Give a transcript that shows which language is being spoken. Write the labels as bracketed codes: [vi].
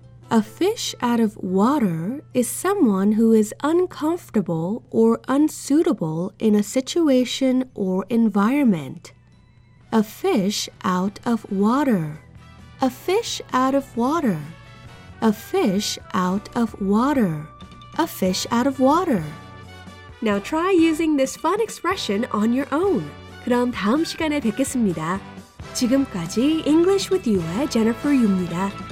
[en] A fish out of water is someone who is uncomfortable or unsuitable in a situation or environment. A fish out of water. A fish out of water. A fish out of water. A fish out of water. Now try using this fun expression on your own. [ko] 그럼 다음 시간에 뵙겠습니다. 지금까지 English with You의 Jennifer Yu입니다.